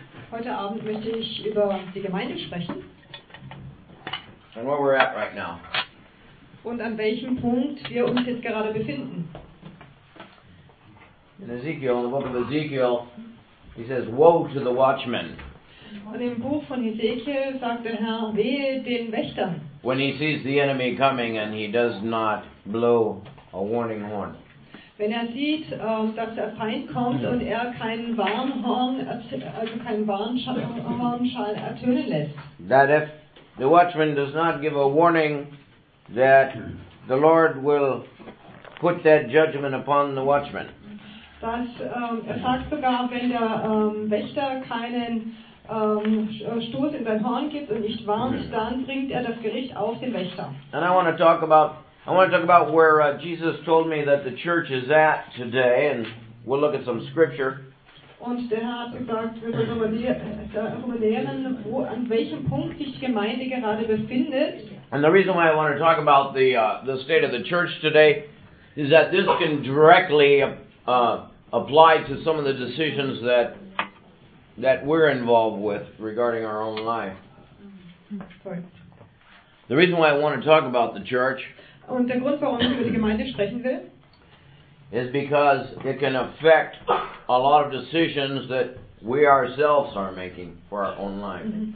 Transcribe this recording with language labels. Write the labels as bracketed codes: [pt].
[de] Heute Abend möchte ich über die Gemeinde sprechen. [en] And where we're at right now. [de] Und an welchem Punkt wir uns jetzt gerade befinden. [en] In Ezekiel, in the book of Ezekiel, he says, "Woe to the watchmen." [de] Und im Buch von Ezekiel sagt der Herr, wehe den Wächtern. [en] When he sees the enemy coming and he does not blow a warning horn. [de] Wenn er sieht, dass der Feind kommt und er keinen Warnhorn, also keinen Warnschall ertönen lässt. [en] That if the watchman does not give a warning, that the Lord will put that judgment upon the watchman. [de] Dass er sagt sogar, wenn der Wächter keinen Stoß in sein Horn gibt und nicht warnt, dann bringt er das Gericht auf den Wächter. [en] And I want to talk about where Jesus told me that the church is at today, and we'll look at some scripture. [de] Und der Herr hat gesagt, wir sollen darüber lehren, wo, an welchem Punkt sich die Gemeinde gerade befindet. [en] And the reason why I want to talk about the state of the church today is that this can directly apply to some of the decisions that we're involved with regarding our own life. Sorry. The reason why I want to talk about the church [de] und der Grund, warum ich über die Gemeinde sprechen will, [en] is because it can affect a lot of decisions that we ourselves are making for our own life.